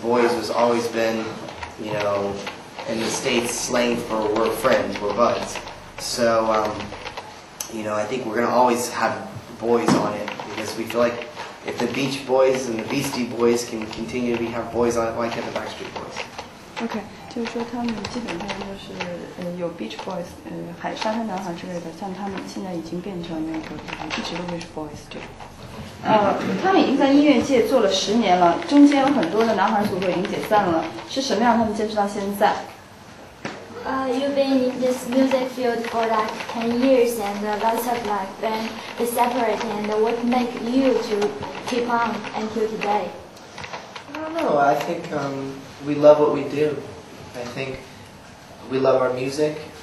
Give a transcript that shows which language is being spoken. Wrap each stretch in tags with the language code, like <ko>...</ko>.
<en>Boys has always been, you know, in the States slang for we're friends, we're buds. So, you know, I think we're going to always have boys on it because we feel like if the Beach Boys and the Beastie Boys can continue to have boys on it, why can't the Backstreet Boys? Okay.</en> <zh>就是说他们基本上就是有 Beach Boys, 沙滩男孩之类的，像他们现在已经变成那个一直都是 Boys 这种。他们已经在音乐界做了十年了，中间有很多的男孩组合已经解散了，是什么样他们坚持到现在？</zh> <en>You've been in this music field for like 10 years and lots of like band is separate and what make you to keep on until today? I don't know. I think we love what we do. I think we love our music.</en>